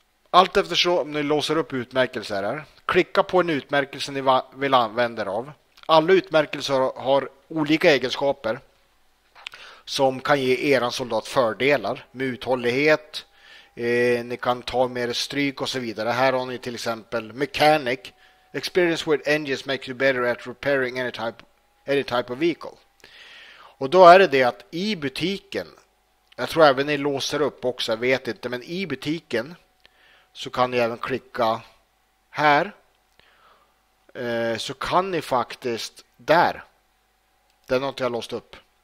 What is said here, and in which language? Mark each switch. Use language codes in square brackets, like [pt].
[sv] Allt eftersom ni låser upp utmärkelser här. Klicka på en utmärkelse ni vill använda er av. Alla utmärkelser har olika egenskaper som kan ge eran soldat fördelar med uthållighet. Ni kan ta mer stryk och så vidare. Här har ni till exempel mechanic. [en] Experience with engines makes you better at repairing any type of vehicle. [sv] Och då är det att i butiken, jag tror även ni låser upp också, jag vet inte, men i butiken så kan ni även klicka här. Så kan ni faktiskt där. Den har inte jag låst upp.